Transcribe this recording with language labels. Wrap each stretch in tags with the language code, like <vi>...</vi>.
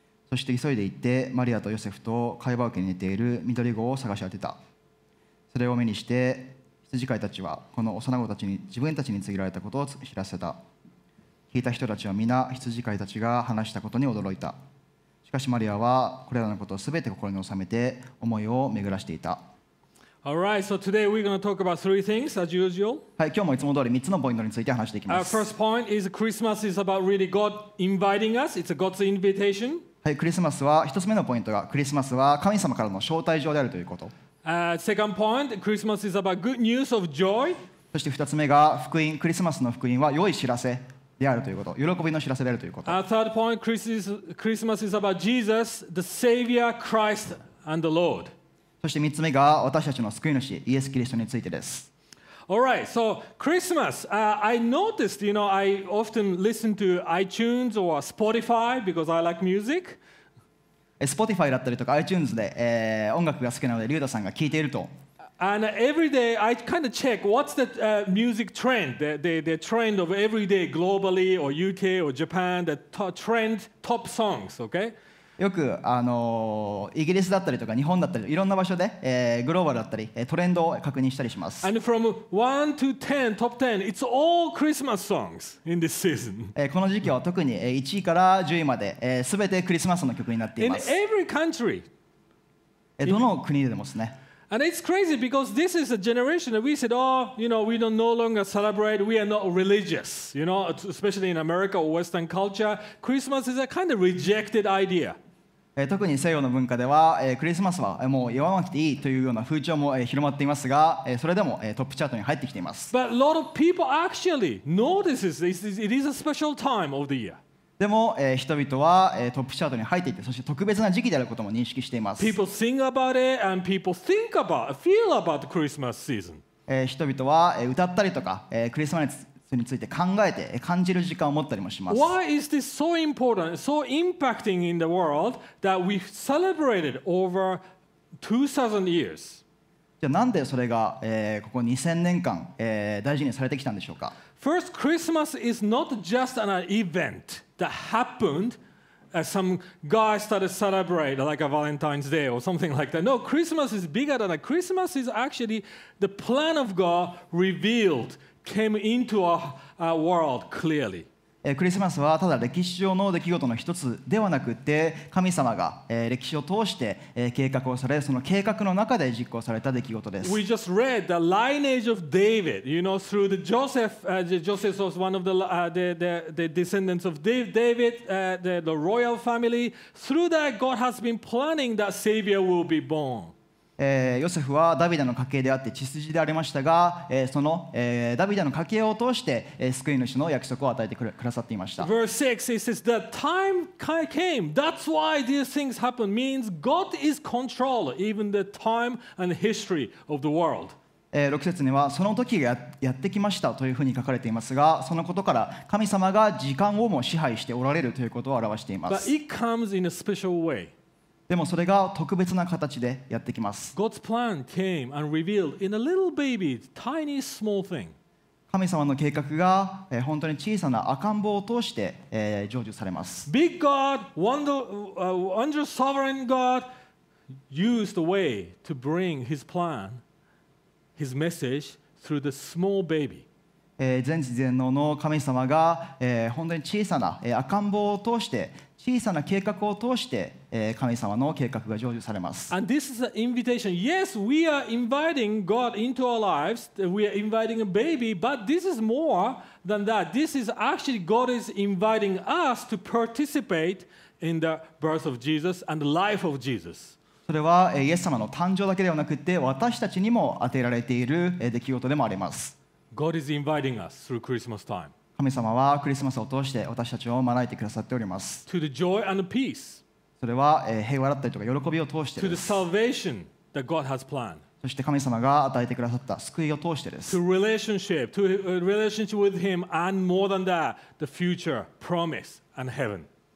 <ja>そして急いで行ってマリアとヨセフと貝羽桶に寝ている緑子を探し当てた。それを目にして羊飼いたちはこの幼子たちに自分たちに告げられたことを知らせた。聞いた人たちは皆羊飼いたちが話したことに驚いた。しかしマリアはこれらのことをすべて心に収めて思いを巡らしていた。</ja> <en>All right, so today we're going to talk about three things as usual.</en> <ja>はい、今日もいつも通り3つのポイントについて話していきます。</ja> <en>First point is Christmas is about really God inviting us. It's a God's invitation.</en> <ja>はい、クリスマスは一つ目のポイントが、クリスマスは神様からの招待状であるということ。</ja> <en>Second point, Christmas is about good news of joy.</en> <ja>そして2つ目が福音、クリスマスの福音は良い知らせであるということ、喜びの知らせであるということ。</ja> <en>Third point, Christmas is about Jesus, the Savior, Christ, and the Lord.</en> <ja>そして3つ目が私たちの救い主、イエス・キリストについてです。</ja> <en>All right, so Christmas, I noticed, you know, I often listen to iTunes or Spotify because I like music.</en> <ja>Spotify だったりとか iTunes で、音楽が好きなのでリュウダさんが聴いていると。</ja> <en>And every day I kind of check what's the music trend, the trend of every day globally or UK or Japan, the trend top songs, okay?</en> <ja>よくイギリスだったりとか日本だったりいろんな場所で、グローバルだったり、トレンドを確認したりします。</ja> <en>And from 1 to 10, top 10, it's all Christmas songs in this season.</en> <ja>この時期は特に1位から10位まで、全てクリスマスの曲になっています。</ja> <en>In every country.</en> <ja>どの国でもですね。</ja> <en>And it's crazy because this is a generation that we said, oh, you know, we don't no longer celebrate, we are not religious, you know, especially in America or Western culture. Christmas is a kind of rejected idea.</en> <ja>特に西洋の文化では、クリスマスはもう祝わなくていいというような風潮も広まっていますが、それでもトップチャートに入ってきています。</ja> <en>But a lot of people actually notice this. It is a special time of the year.</en> <ja>でも、人々は、トップチャートに入っていて、そして特別な時期であることも認識しています。</ja> <en>People sing about it and people think about, feel about the Christmas season.</en> <ja>人々は、歌ったりとか、クリスマスについて考えて、感じる時間を持ったりもします。</ja> <en>Why is this so important, so impacting in the world that we've celebrated over 2,000 years?</en> <ja>じゃあなんでそれが、ここ2000年間、大事にされてきたんでしょうか?</ja> <en>First, Christmas is not just an eventThat happened as some guy started to celebrate like a Valentine's Day or something like that. No, Christmas is bigger than that. Christmas is actually the plan of God revealed, came into our world clearly.</en> <ja>Christmas はただ歴史上の出来事の一つではなくて、神様が歴史を通して計画をされ、その計画の中で実行された出来事です。</ja> <en>We just read the lineage of David, you know, through the Joseph. Joseph was one of the descendants of David, the royal family. Through that, God has been planning that Savior will be born.</en> <ja>ヨセフはダビデの家系であって血筋でありましたが、その、ダビデの家系を通して、救い主の約束を与えてくださっていました。</ja> <en>Verse 6, it says, the time came. That's why these things happen. Means God is control, even the time and history of the world.</en> <ja>6節にはその時が やってきましたというふうに書かれていますが、そのことから神様が時間をも支配しておられるということを表しています。</ja> <en>But it comes in a special way.</en> <ja>でもそれが特別な形でやってきます。</ja> <en>God's plan came and revealed in a little baby, tiny, small thing.</en> <ja>神様の計画が、本当に小さな赤ん坊を通して、成就されます。</ja> <en>Big God, wondrous sovereign God used a way to bring his planHis message through the small baby.</en> <ja>全知全能の神様が、本当に小さな、赤ん坊を通して、小さな計画を通して、神様の計画が成就されます。</ja> <en>And this is an invitation. Yes, we are inviting God into our lives. We are inviting a baby, but this is more than that. This is actually God is inviting us to participate in the birth of Jesus and the life of Jesus.</en> <ja>それはイエス様の誕生だけではなくて私たちにも与えられている出来事でもあります。</ja> <en>God is inviting us through Christmas time.</en> <ja>神様はクリスマスを通して私たちを招いてくださっております。</ja> <en>To the joy and the peace.</en> <ja>それは平和だったりとか喜びを通してです。</ja> <en>To the salvation that God has planned.</en> <ja>そして神様が与えてくださった救いを通してです。</ja> <en>To relationship, to a relationship with him and more than that, the future promise and heaven.</en>